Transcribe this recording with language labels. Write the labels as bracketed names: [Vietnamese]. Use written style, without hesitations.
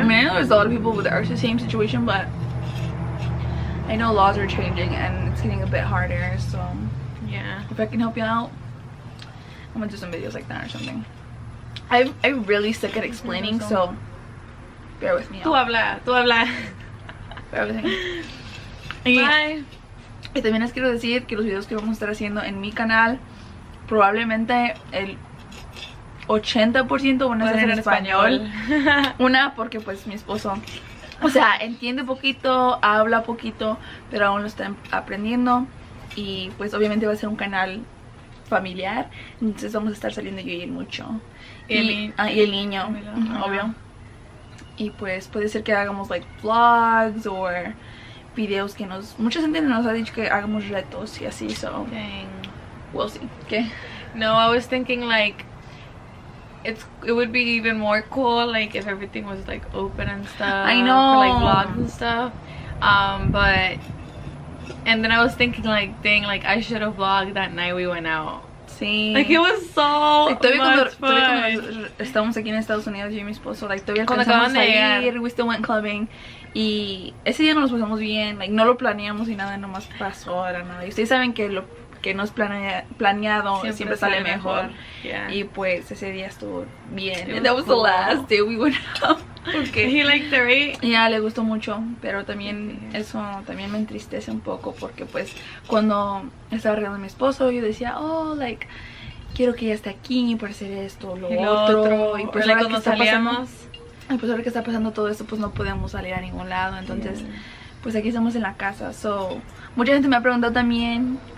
[English] I mean, I know there's a lot of people that are the same situation, but I know laws are changing and it's getting a bit harder. So yeah, if I can help you out, I'm gonna do some videos like that or something. I'm really sick at explaining, so bear with me. [Spanish] Tú habla. [English] Bear with me. Bye. [Spanish] Y también les quiero decir que los videos que vamos a estar haciendo en mi canal, probablemente el 80% van a ser en español. Una, porque pues mi esposo, o sea, entiende poquito, habla poquito, pero aún lo está aprendiendo. Y pues obviamente va a ser un canal familiar, entonces vamos a estar saliendo yo y él mucho. Y el niño, obvio. Y pues puede ser que hagamos [English] like vlogs [Spanish] o videos que nos... Mucha gente nos ha dicho que hagamos retos y así, so... [English] Dang. We'll see. [Spanish] ¿Qué? [English] No, I was thinking, like, it would be even more cool, like, if everything was, like, open and stuff. I know. For, like, vlogs and stuff. But... And then I was thinking, like, dang, like, I should have vlogged that night we went out. [Spanish] Sí. [English] Like, it was so much fun. [Spanish] Estamos aquí en Estados Unidos, yo y mi esposo. Like, todavía alcanzamos a ir. [English] We still went clubbing. [Spanish] Y ese día no nos pasamos bien, like, no lo planeamos y nada, nomás pasó, era nada. Y ustedes saben que lo que no es planeado siempre sale mejor. [English] Yeah. [Spanish] Y pues ese día estuvo bien. [English] That was cool. The last day we went out. Okay. He liked it, right? [Spanish] Yeah, le gustó mucho, pero también eso también me entristece un poco, porque pues cuando estaba arreglando a mi esposo, yo decía, oh, like, quiero que ella esté aquí para hacer esto, lo otro. Y pues ahora que salíamos. Y pues ahora que está pasando todo esto, pues no podemos salir a ningún lado. Entonces, pues aquí estamos en la casa. So, mucha gente me ha preguntado también